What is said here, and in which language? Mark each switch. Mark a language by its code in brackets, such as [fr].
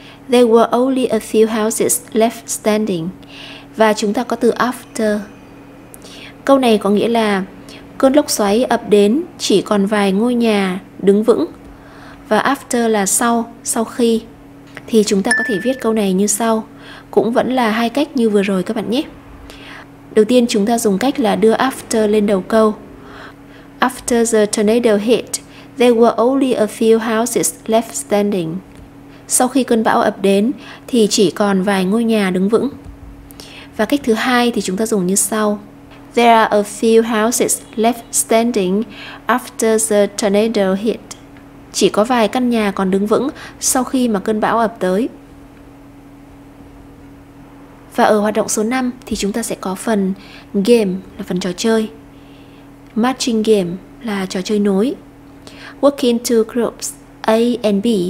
[en] There were only a few houses left standing. [vi] Và chúng ta có từ after. Câu này có nghĩa là cơn lốc xoáy ập đến, chỉ còn vài ngôi nhà đứng vững. Và after là sau, sau khi. Thì chúng ta có thể viết câu này như sau. Cũng vẫn là hai cách như vừa rồi các bạn nhé. Đầu tiên chúng ta dùng cách là đưa after lên đầu câu. [en] After the tornado hit, there were only a few houses left standing. [vi] Sau khi cơn bão ập đến, thì chỉ còn vài ngôi nhà đứng vững. Và cách thứ hai thì chúng ta dùng như sau. [en] There are a few houses left standing after the tornado hit. [vi] Chỉ có vài căn nhà còn đứng vững sau khi mà cơn bão ập tới. Và ở hoạt động số 5 thì chúng ta sẽ có phần game, là phần trò chơi. [en] Matching game [vi] là trò chơi nối. [en] Work into groups A and B.